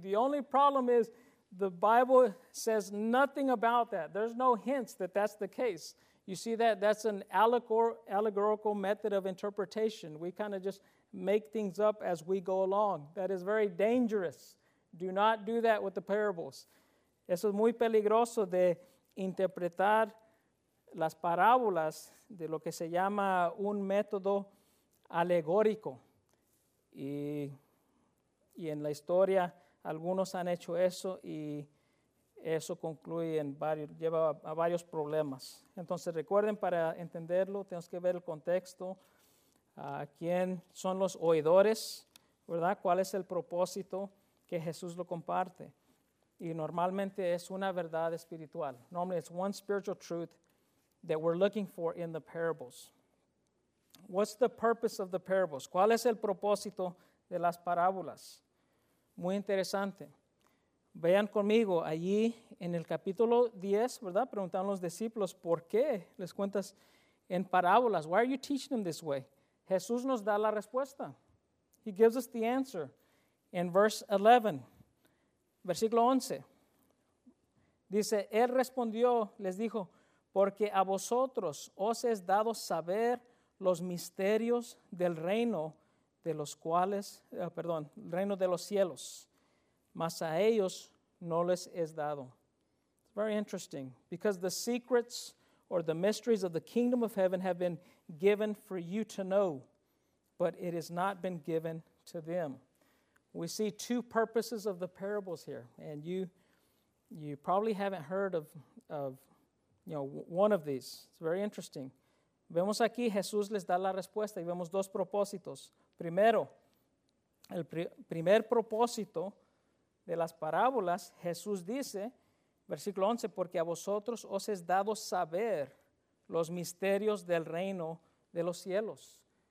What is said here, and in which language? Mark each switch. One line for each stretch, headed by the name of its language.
English: The only problem is the Bible says nothing about that. There's no hints that that's the case. You see that? That's an allegorical method of interpretation. We kind of just make things up as we go along. That is very dangerous. Do not do that with the parables.
Spanish: Eso es muy peligroso de interpretar las parábolas de lo que se llama un método alegórico. Y en la historia algunos han hecho eso y eso concluye en varios, lleva a varios problemas. Entonces recuerden, para entenderlo tenemos que ver el contexto, quién son los oidores, ¿verdad? ¿Cuál es el propósito que Jesús lo comparte? Y normalmente es una verdad espiritual.
English: Normally it's one spiritual truth that we're looking for in the parables. What's the purpose of the parables?
Spanish: ¿Cuál es el propósito de las parábolas? Muy interesante. Vean conmigo allí en el capítulo 10, ¿verdad? Preguntaron los discípulos, ¿por qué les cuentas en parábolas?
English: Why are you teaching them this way?
Spanish: Jesús nos da la respuesta.
English: He gives us the answer. In verse 11,
Spanish: versículo 11, dice, Él respondió, les dijo, porque a vosotros os es dado saber los misterios del reino de los cuales, perdón, el reino de los cielos, mas a ellos no les es dado.
English: It's very interesting, because the secrets or the mysteries of the kingdom of heaven have been given for you to know, but it has not been given to them. We see two purposes of the parables here, and you probably haven't heard of you know, one of these. It's very interesting.
Spanish: Vemos aquí, Jesús les da la respuesta y vemos dos propósitos. Primero, el primer propósito de las parábolas, Jesús dice, versículo 11, porque a vosotros os es dado saber los misterios del reino de los cielos.